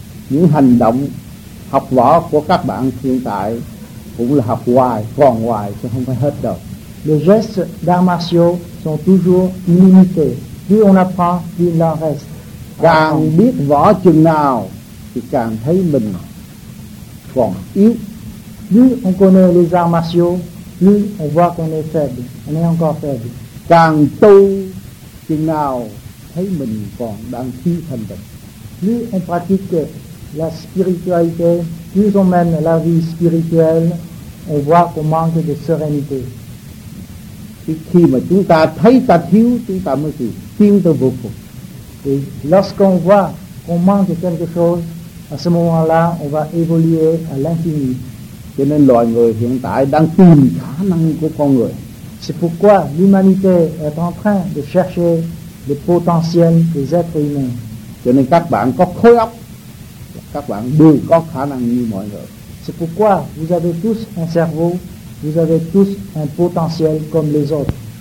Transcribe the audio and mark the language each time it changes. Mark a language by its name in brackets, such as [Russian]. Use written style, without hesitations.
[Vietnamese] Những hành động học võ của các bạn hiện tại cũng là học hoài, còn hoài chứ không phải hết đâu. [French] Les gestes d'arts martiaux sont toujours illimités. Plus on apprend, plus il en reste. [Vietnamese] Càng biết võ chừng nào thì càng thấy mình còn yếu. [French] Plus on connaît les arts martiaux, plus on voit qu'on est faible. On est encore faible. [Vietnamese] Càng tu chừng nào thấy mình còn đang thi thành tịnh. [French] Plus on pratique la spiritualité, plus on mène la vie spirituelle, on voit qu'on manque de sérénité. [Vietnamese] Khi mà chúng ta thấy ta thiếu, chúng ta mới tiến tới vô cùng. [French] Et lorsqu'on voit qu'on manque quelque chose, à ce moment-là, on va évoluer à l'infini. [Vietnamese] Cho nên loài người hiện tại đang tìm khả năng của con người. [French] C'est pourquoi l'humanité est en train de chercher le potentiel des êtres humains. [Vietnamese] Cho nên các bạn có khối óc, các bạn đều có khả năng như mọi người. [French] C'est pourquoi vous avez tous un cerveau, vous avez tous un potentiel comme les autres.